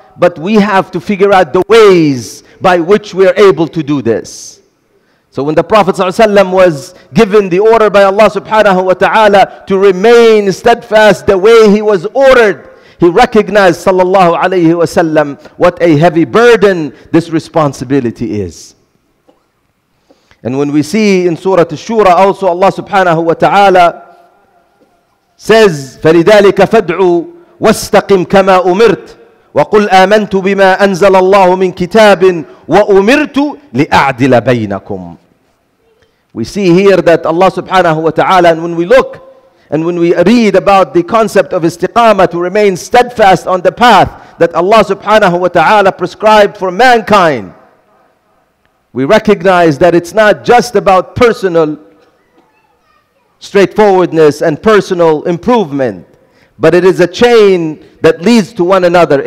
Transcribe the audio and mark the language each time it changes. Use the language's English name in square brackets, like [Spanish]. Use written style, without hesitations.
[English] But we have to figure out the ways by which we are able to do this. So when the Prophet ﷺ was given the order by Allah subhanahu wa ta'ala to remain steadfast the way he was ordered, he recognized sallallahu alayhi wa sallam what a heavy burden this responsibility is. And when we see in Surah Ash-Shura also, Allah subhanahu wa ta'ala says, [Arabic] فَلِذَلِكَ فَدْعُوا وَاسْتَقِمْ كَمَا أُمِرْتُ وَقُلْ آمَنْتُ بِمَا أَنْزَلَ اللَّهُ مِنْ كِتَابٍ وَأُمِرْتُ لِأَعْدِلَ بَيْنَكُمْ. [English] We see here that Allah subhanahu wa ta'ala, and when we look and when we read about the concept of istiqama, to remain steadfast on the path that Allah subhanahu wa ta'ala prescribed for mankind, we recognize that it's not just about personal straightforwardness and personal improvement, but it is a chain that leads to one another.